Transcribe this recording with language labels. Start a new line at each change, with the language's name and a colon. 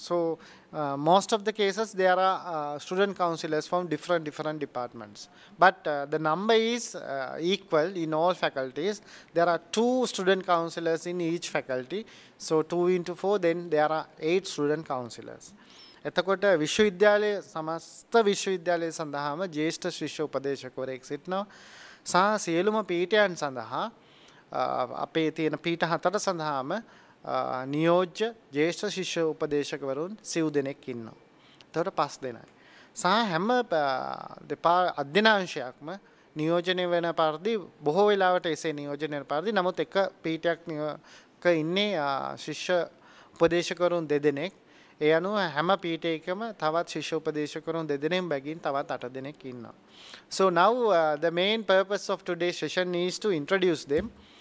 English: So most of the cases, there are student counselors from different departments. But the number is equal in all faculties. There are 2 student counselors in each faculty. So 2 into 4, then there are 8 student counselors.
Sinhala: එතකොට විශ්වවිද්‍යාලය සමස්ත විශ්වවිද්‍යාලය සඳහාම ජේෂ්ඨ ශිෂ්‍ය උපදේශකවරයෙක් සිටිනවා සහ සියලුම පීඨයන් සඳහා අපේ තියෙන පීඨ 4 සඳහාම නියෝජ්‍ය ජේෂ්ඨ ශිෂ්‍ය උපදේශකවරුන් සිව් දෙනෙක් ඉන්නවා. එතකොට 5 දෙනයි. සහ හැම දෙපා අධ්‍යනාංශයක්ම නියෝජනය වෙන පරිදි බොහෝ වෙලාවට එසේ නියෝජනය වෙන පරිදි නමුත් එක පීඨයක්ක ඉන්නේ ශිෂ්‍ය උපදේශකවරුන් දෙදෙනෙක් ඒ අනුව හැම පීඨයකම තවත් ශිෂ්‍ය උපදේශකවරුන් දෙදෙනෙක් බැගින් තවත් 8 දෙනෙක් ඉන්නවා
English: so now the main purpose of today's session is to introduce them